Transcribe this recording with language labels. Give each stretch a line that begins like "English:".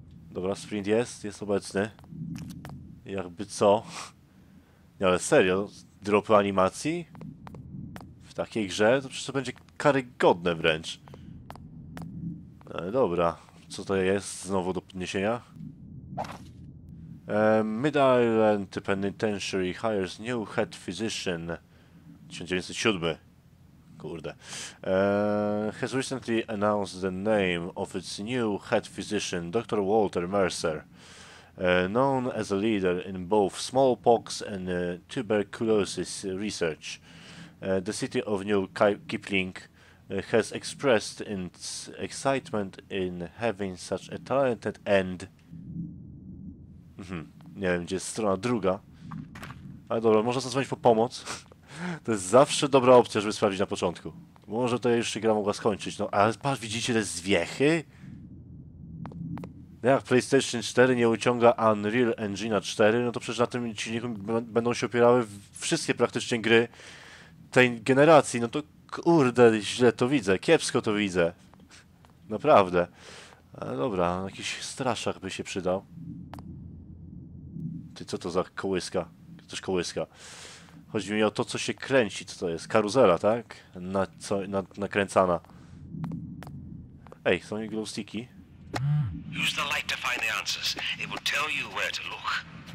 Polish: Dobra, sprint jest obecny. Jakby co? Nie, ale serio, dropy animacji? W takiej grze? To przecież to będzie karygodne wręcz. Ale dobra. Co to jest znowu do podniesienia?
English: Mid Island Penitentiary hires new head physician. 1907.
Polish: Kurde.
English: Has recently announced the name of its new head physician, Dr. Walter Mercer. Known as a leader in both smallpox and tuberculosis research. The city of New Kipling has expressed its excitement in having such a talented end.
Polish: Nie wiem, gdzie jest strona druga. Ale dobra, można zadzwonić po pomoc. To jest zawsze dobra opcja, żeby sprawdzić na początku. Może to jeszcze gra mogła skończyć. No, ale patrz, widzicie te zwiechy? Jak PlayStation 4 nie uciąga Unreal Engine 4, no to przecież na tym silniku będą się opierały wszystkie praktycznie gry tej generacji. No to kurde, źle to widzę, kiepsko to widzę. Naprawdę. Ale dobra, jakiś straszak by się przydał. Ty, co to za kołyska? Ktoś kołyska. Chodzi mi o to, co się kręci, co to jest. Karuzela, tak? Nakręcana. Ej, są jej glowsticki.
English: Use the light to find the answers. It will tell you where to look.